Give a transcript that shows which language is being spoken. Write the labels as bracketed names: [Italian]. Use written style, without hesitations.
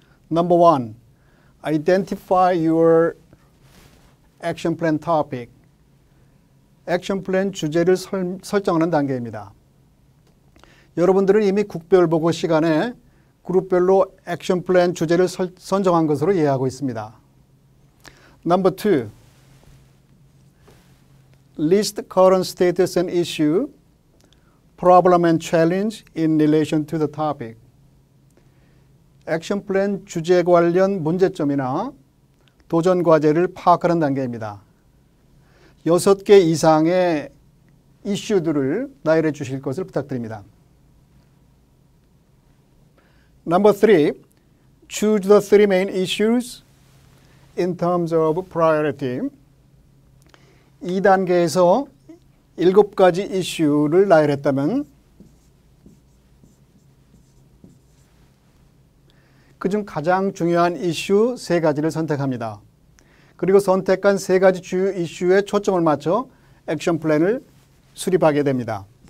[English] Number 1, identify your action plan topic. [Korean] 액션 플랜 주제를 설정하는 단계입니다. 여러분들은 이미 국별 보고 시간에 그룹별로 액션 플랜 주제를 선정한 것으로 이해하고 있습니다. [English] Number 2. List current status and issue, problem and challenge in relation to the topic. [Korean] 액션 플랜 주제 관련 문제점이나 도전 과제를 파악하는 단계입니다. 6개 이상의 이슈들을 나열해 주실 것을 부탁드립니다. [English] Number 3. Choose the three main issues in terms of priority. [Korean] 2단계에서 7가지 이슈를 나열했다면 그중 가장 중요한 이슈 3가지를 선택합니다. 그리고 선택한 3가지 주요 이슈에 초점을 맞춰 액션 플랜을 수립하게 됩니다.